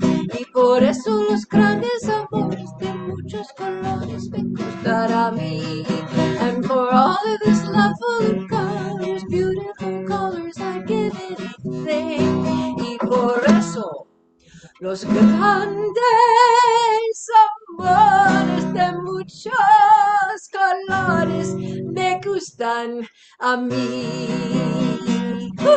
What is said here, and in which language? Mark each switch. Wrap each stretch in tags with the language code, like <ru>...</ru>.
<es>Y por eso los grandes amores de muchos colores me gustará a mí.</es> <en>And for all of this love full of colors, beautiful colors, I give anything.</en> <es>Y por eso los grandes amores de muchos colores me gustan a mí.</es>